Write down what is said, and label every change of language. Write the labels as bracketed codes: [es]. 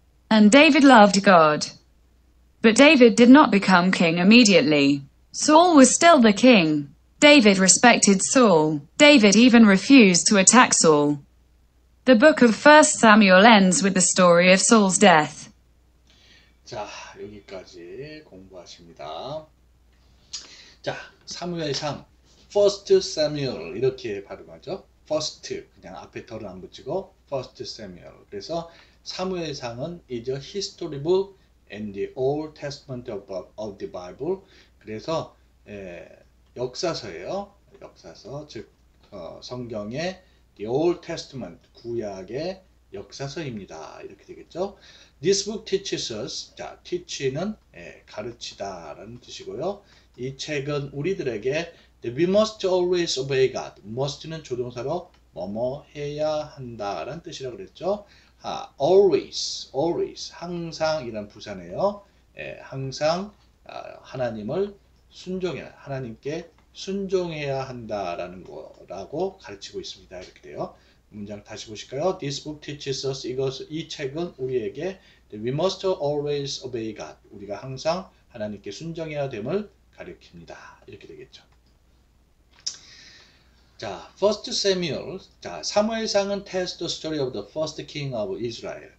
[en] And David loved God. But David did not become king immediately. Saul was still the king. David respected Saul. David even refused to attack Saul. The book of 1 Samuel ends with the story of Saul's death. [ko] 자, 여기까지 공부하십니다. 자, 사무엘상, First Samuel 이렇게 발음하죠. First, 그냥 앞에 덜안 붙이고 First Samuel. 그래서 사무엘상은 [en] is a history book in the Old Testament of the Bible. [ko] 그래서 역사서예요. 역사서, 즉 성경의 The Old Testament, 구약의 역사서입니다. 이렇게 되겠죠? [en] This book teaches us. [ko] 자, teach는 가르치다라는 뜻이고요. 이 책은 우리들에게 [en] that we must always obey God. [ko] must는 조동사로 뭐뭐 해야 한다라는 뜻이라고 그랬죠? 아, always, 항상 이란 부사네요. 항상 하나님을 순종해, 하나님께 순종해야 한다라는 거라고 가르치고 있습니다. 이렇게 돼요. 문장 다시 보실까요? [en] This book teaches us [ko] 이것, 이 책은 우리에게 [en] that we must always obey God. [ko] 우리가 항상 하나님께 순종해야 됨을 가르칩니다. 이렇게 되겠죠. 자, First Samuel. 자, 사무엘상은 [en] tells the story of the first king of Israel.